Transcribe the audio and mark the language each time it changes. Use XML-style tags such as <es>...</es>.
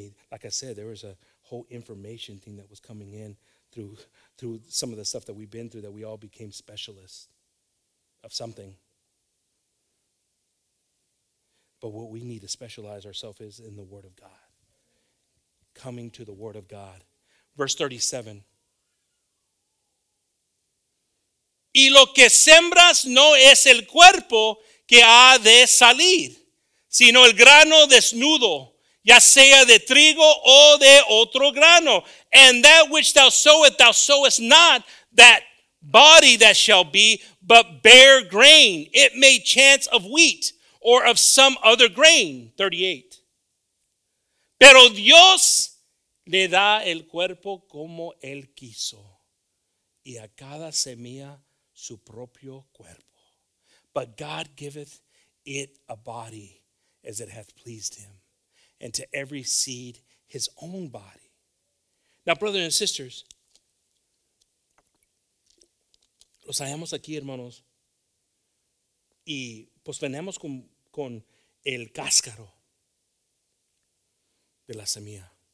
<en>Like I said, there was a whole information thing that was coming in through some of the stuff that we've been through, that we all became specialists of something. But what we need to specialize ourselves is in the Word of God. Coming to the Word of God. Verse 37.</en> <es>Y lo que sembras no es el cuerpo que ha de salir, sino el grano desnudo, ya sea de trigo o de otro grano.</es> <en>And that which thou sowest not that body that shall be, but bare grain. It may chance of wheat or of some other grain. 38.</en> <es>Pero Dios le da el cuerpo como él quiso, y a cada semilla su propio cuerpo.</es> <en>But God giveth it a body as it hath pleased him, and to every seed his own body. Now, brothers and sisters,</en> <es>los hallamos aquí, hermanos, y pues venemos con el cáscaro de la semilla.</es>